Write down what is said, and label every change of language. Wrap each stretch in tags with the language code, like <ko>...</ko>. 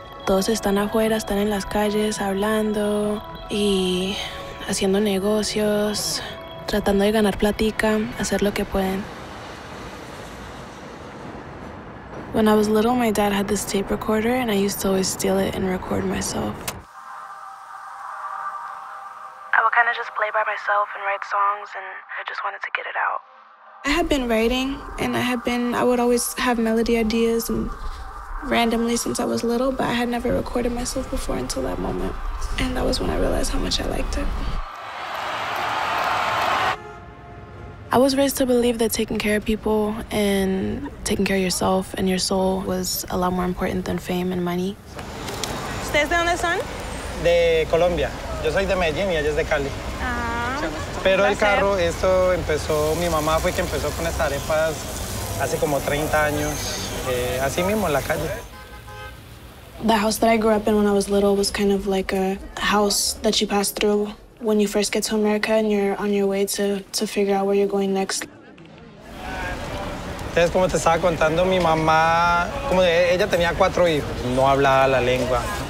<es>Todos están afuera, están en las calles, hablando y haciendo negocios, tratando de ganar platica, hacer lo que pueden.</es> <en>When I was little, my dad had this tape recorder, and I used to always steal it and record myself. I would kind of just play by myself and write songs, and I just wanted to get it out. I had been writing, and I would always have melody ideas and randomly since I was little, but I had never recorded myself before until that moment. And that was when I realized how much I liked it. I was raised to believe that taking care of people and taking care of yourself and your soul was a lot more important than fame and money.</en> <es>¿Ustedes de dónde son? De Colombia. Yo soy de Medellín y ella es de Cali. Ah. Pero el carro, esto empezó, mi mamá fue quien empezó con estas arepas hace como 30 años, así mismo en la calle.</es> <en>The house that I grew up in when I was little was kind of like a house that you passed through when you first get to America and you're on your way to figure out where you're going next.</en> <es>Entonces, como te estaba contando, mi mamá, como ella tenía cuatro hijos, no hablaba la lengua.</es>